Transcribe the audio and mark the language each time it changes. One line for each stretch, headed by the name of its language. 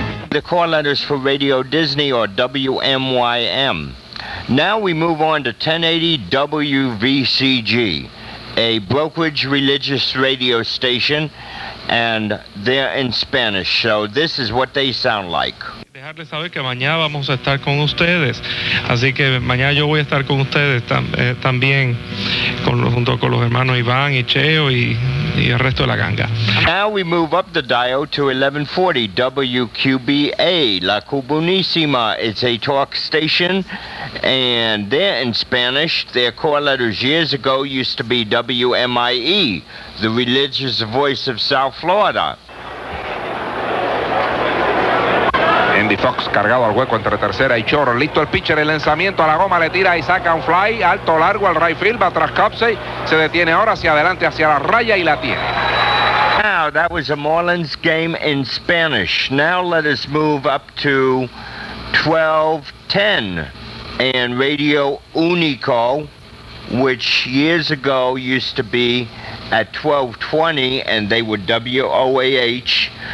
English: The call letters for Radio Disney or WMYM. Now we move on to 1080 WVCG, a brokerage religious radio station, and they're in Spanish, so this is what they sound like.
Spanish: Dejarles saber que mañana vamos a estar con ustedes, así que mañana yo voy a estar con ustedes también junto con los hermanos Iván y Cheo y el resto de la ganga.
English: Now we move up the dial to 1140 WQBA, La Cubunísima. It's a talk station, and they're in Spanish. Their call letters years ago used to be WMIE, the religious voice of South Florida.
Spanish: Andy Fox cargado al hueco entre tercera y Chorro. Listo el pitcher, el lanzamiento a la goma, le tira y saca un fly alto, largo al right field, va tras Copsey, se detiene ahora hacia adelante, hacia la raya y la tiene.
English: Now, that was a Marlins game in Spanish. Now let us move up to 1210 and Radio Unico, which years ago used to be at 1220, and they were WOAH.